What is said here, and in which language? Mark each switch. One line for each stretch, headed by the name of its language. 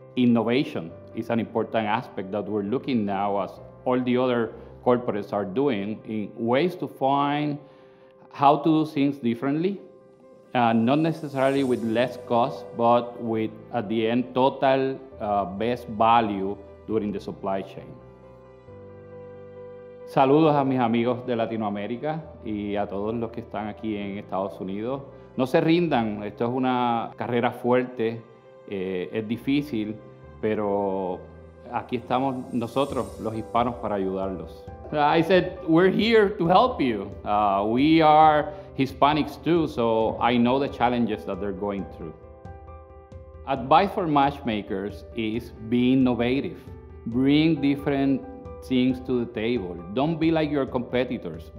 English: Innovation is an important aspect that we're looking now, as all the other corporates are doing, in ways to find how to do things differently, not necessarily with less cost, but with, at the end, total best value during the supply chain.
Spanish: Saludos a mis amigos de Latinoamérica y a todos los que están aquí en Estados Unidos. No se rindan, esto es una carrera fuerte, es difícil, pero aquí estamos nosotros, los hispanos, para ayudarlos.
English: I said, we're here to help you. We are Hispanics too, so I know the challenges that they're going through. Advice for matchmakers is be innovative. Bring different things to the table. Don't be like your competitors.